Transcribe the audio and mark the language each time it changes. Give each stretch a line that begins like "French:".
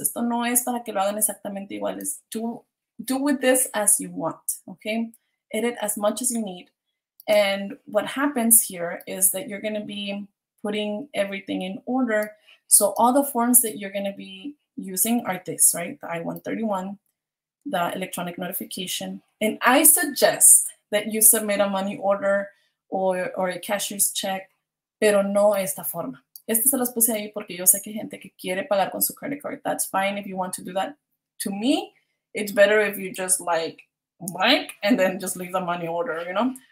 Spanish: Esto no es para que lo hagan exactamente igual.
English: Es tú, do with this as you want, okay? Edit as much as you need. And what happens here is that you're going to be putting everything in order. So all the forms that you're going to be using are this, right? The I-131, the electronic notification. And I suggest that you submit a money order or a cashier's check,
Spanish: pero no esta forma. Este se los puse ahí porque yo sé que hay gente que quiere pagar con su credit card.
English: That's fine if you want to do that. To me, it's better if you just like blank and then just leave the money order, you know?